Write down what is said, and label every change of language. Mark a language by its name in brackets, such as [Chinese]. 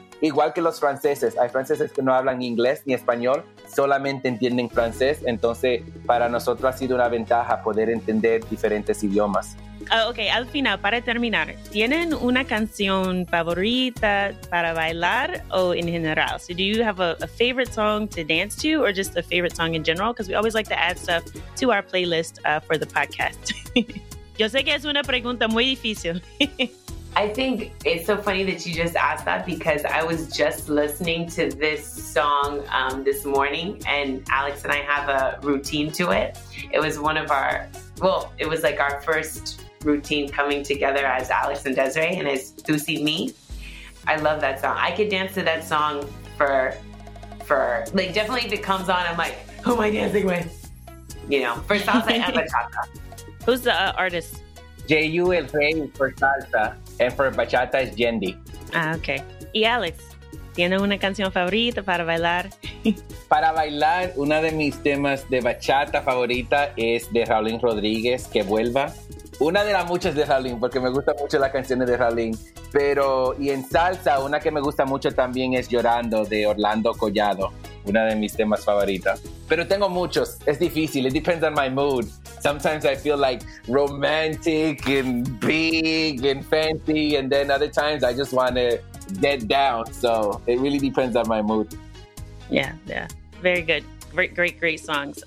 [Spanish] Igual que los franceses, hay franceses que no hablan inglés ni español, solamente entienden francés. Entonces, para nosotros ha sido una ventaja poder entender diferentes idiomas. Ok, al final, para terminar, ¿tienen una canción favorita para bailar o en general? [English] So, do you have a favorite song to dance to or just a favorite song in general? Because we always like to add stuff to our playlist for the podcast. [Spanish] Yo sé que es una pregunta muy difícil. [English] I think it's so funny that you just asked that because I was just listening to this song this morning and Alex and I have a routine to it. It was one of our, well, it was like our first routine coming together as Alex and Desiree, and it's Tu Si Mi. I love that song. I could dance to that song for like definitely if it comes on, I'm like, who am I dancing with? You know, for salsa and bachata. Who's the artist? J.U. El Rey for salsa. And for bachata is Yendi. Ah, okay. [Spanish] Y Alex, ¿tiene una canción favorita para bailar? Para bailar, una de mis temas de bachata favorita es de Raulín Rodríguez, Que Vuelva. Una de las muchas de Raulín, porque me gustan mucho las canciones de Raulín. Pero, y en salsa, una que me gusta mucho también es Llorando, de Orlando Collado. Una de mis temas favoritas. Pero tengo muchos. Es difícil. It depends on my mood. [English] Sometimes I feel like romantic and big and fancy. And then other times I just want to get down. So it really depends on my mood. Yeah, yeah. Very good. Great, great, great songs.